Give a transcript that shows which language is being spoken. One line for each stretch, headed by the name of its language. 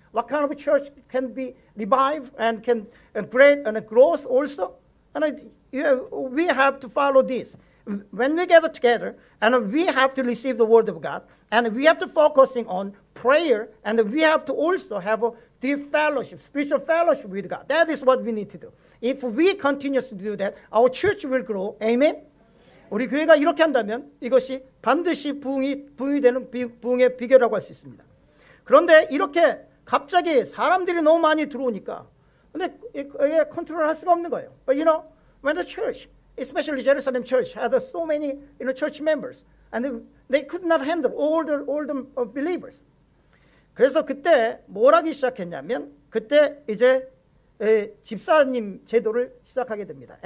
English: What kind of church can be revived and can create and growth also? And we have to follow this. When we gather together, and we have to receive the word of God, and we have to focusing on prayer, and we have to also have a deep fellowship, spiritual fellowship with God. That is what we need to do. If we continue to do that, our church will grow. Amen?
Korean: 우리 교회가 이렇게 한다면 이것이 반드시 부흥이 되는 부흥의 비결이라고 할 수 있습니다. 그런데 이렇게 갑자기 사람들이 너무 많이 들어오니까 근데 이게 컨트롤 할 수가 없는 거예요.
English: But you know, when the church, especially Jerusalem church, had so many you know, church members, and they could not handle all the believers.
Korean: 그래서 그때 뭘 하기 시작했냐면 그때 이제 집사님 제도를 시작하게 됩니다.